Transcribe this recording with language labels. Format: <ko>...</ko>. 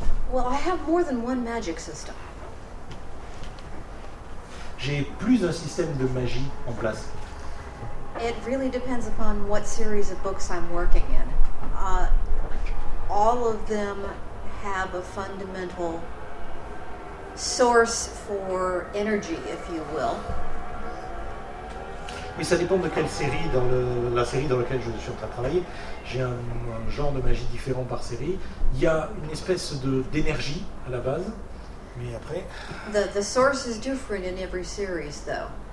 <en>Well, I have more than one magic system.</en> <fr>J'ai plus d'un système de magie en place.</fr> <en>It really depends upon what series of books I'm working in. All of them have a fundamental source for energy, if you will.</en> <fr>Mais ça dépend de quelle série, la série dans laquelle je suis en train de travailler. J'ai un genre de magie différent par série. Il y a une espèce d'énergie à la base, mais après...</fr> <en>The source is different in every series, though.</en>